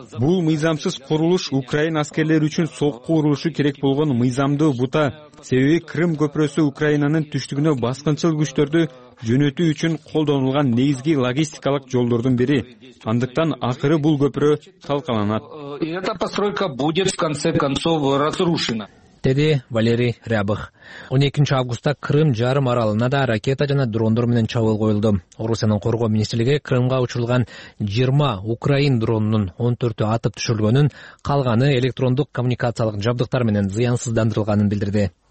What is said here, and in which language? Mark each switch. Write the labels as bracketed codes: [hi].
[ky] Бул мыйзамсыз курулуш украин аскерлери үчүн соккурулушу керек болгон мыйзамдуу бута. Себеби Крым көпүрөсү Украинанын түштүгүнө баскынчыл күчтөрдү жөнөтүү үчүн колдонулган негизги логистикалык жолдордун бири. Андыктан акыры бул көпүрө талкаланат. [ru] И эта постройка будет в конце концов разрушена. [ky] Деди Валерий Рябых. 12 августта Крым жарым аралына да ракета жана дрондор менен чабуул коюлду. Орусиянын коргоо министрлиги Крымга учурулган 20 украин дронунун 14-ү атып түшүрүлгөнүн, калганы электрондук коммуникациялык жабдыктар менен зыянсыздандырылганын билдирди.